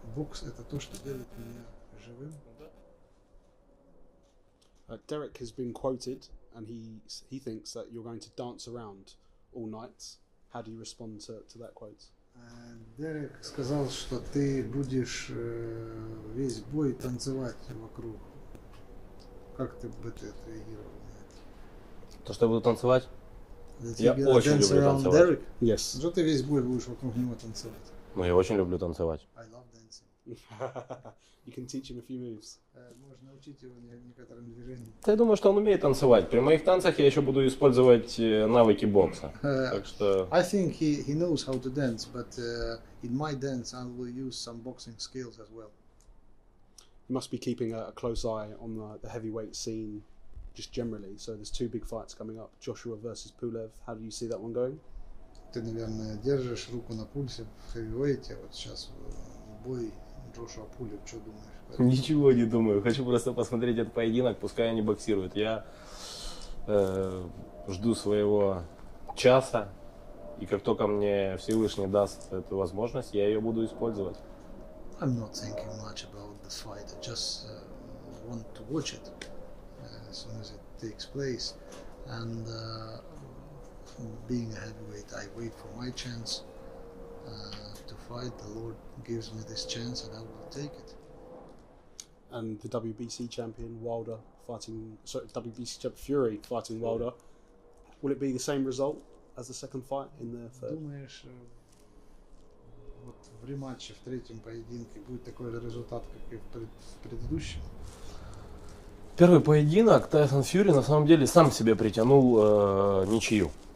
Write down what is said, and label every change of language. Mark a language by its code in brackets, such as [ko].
[ru] Box это то, что делает меня живым. [en] Derek has been quoted, and he thinks that you're going to dance around all night. How do you respond to that quote? [ru] Derek сказал, что ты будешь весь бой танцевать вокруг. Как ты бы ты отреагировал? То, что я буду танцевать? Я очень люблю танцевать. Derek? [en] Yes. [ru] Что ты весь бой будешь вокруг него танцевать? Ну, я очень люблю танцевать. [en] I love dancing. You can teach him a few moves. [ru] Можно учить его некоторым движениям. Да, я думаю, что он умеет танцевать. При моих танцах я еще буду использовать навыки бокса. Так что... [en] I think he knows how to dance, but in my dance I will use some boxing skills as well. You must be keeping a close eye on the heavyweight scene just generally. So there's two big fights coming up, Joshua versus Pulev. How do you see that one going? [ru] Ты, наверное, держишь руку на пульсе в хэвиуэйте. Вот сейчас бой Джошуа Пулев. Что думаешь? Ничего не думаю. Хочу просто посмотреть этот поединок, пускай они боксируют. Я жду своего часа, и как только мне Всевышний даст эту возможность, я ее буду использовать. [en] I'm not thinking much about the fight. I just want to watch it as soon as it takes place. And being a heavyweight, I wait for my chance to fight. The Lord gives me this chance, and I will take it. And the WBC champion Wilder fighting, sorry, WBC champion Fury fighting Wilder. Will it be the same result as the second fight in the third? [ru] Вот в рематче, в третьем поединке будет такой же результат, как и в предыдущем. Первый поединок Тайсон Фьюри на самом деле сам себе притянул ничью.